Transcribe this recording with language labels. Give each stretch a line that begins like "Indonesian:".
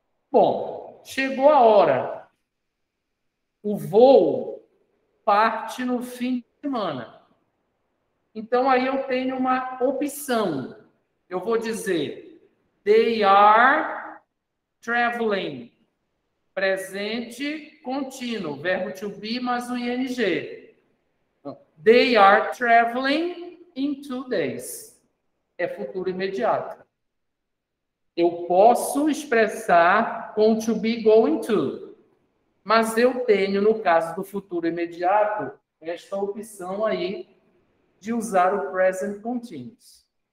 Portuguese: Bom, chegou a hora. O voo parte no fim de semana. Então, aí eu tenho uma opção. Eu vou dizer,
English: they are traveling.
Portuguese: Presente contínuo, verbo to be, mais o ing.
English: They are traveling in 2 days.
Portuguese: É futuro imediato. Eu posso expressar com to be going to. Mas eu tenho, no caso do futuro imediato, esta opção aí de usar o present continuous.